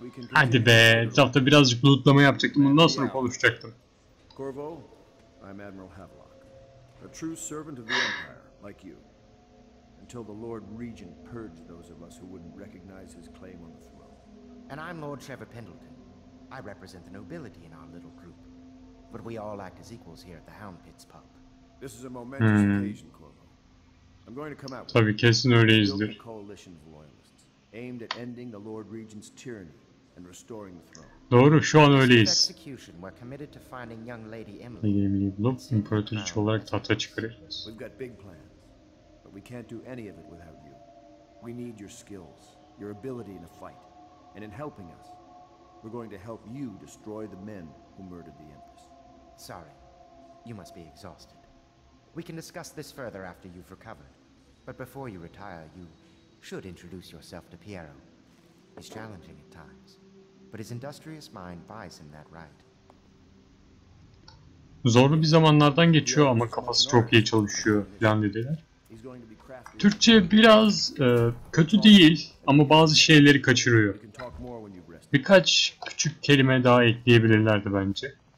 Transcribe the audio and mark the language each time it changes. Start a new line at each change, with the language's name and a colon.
Turkish: Hadi be, tahta birazcık bulutlama yapacaktım, ondan sonra konuşacaktım.
English: Corvo, I'm Admiral Havelock, a true servant of the Empire, like you. Until the Lord Regent purged those of us who wouldn't recognize his claim on the throne. And I'm Lord Trevor Pendleton. I represent the nobility in our little group. But we all act as equals here at the Hound Pits pub. This is a momentous occasion, Corvo. I'm going to come out with you.
Turkish: Tabii kesin öyleyizdir.
English: Coalition of loyalists, aimed at ending the Lord Regent's tyranny. And restoring the throne.
Turkish: Doğru, şu an öyleyiz.
English: Execution, we're committed to finding young Lady Emily.
Turkish: Emily'yi bulup imparatoriçe olarak tahta çıkarırız.
English: We've got big plans, but we can't do any of it without you. We need your skills, your ability in a fight, and in helping us, we're going to help you destroy the men who murdered the Empress. Sorry, you must be exhausted. We can discuss this further after you've recovered. But before you retire, you should introduce yourself to Piero. He's challenging at times, but his industrious mind buys him that right.
Turkish: Zorlu bir zamanlardan geçiyor ama kafası çok iyi çalışıyor falan dediler. Türkçe biraz kötü değil ama bazı şeyleri kaçırıyor. Birkaç küçük kelime daha ekleyebilirlerdi bence.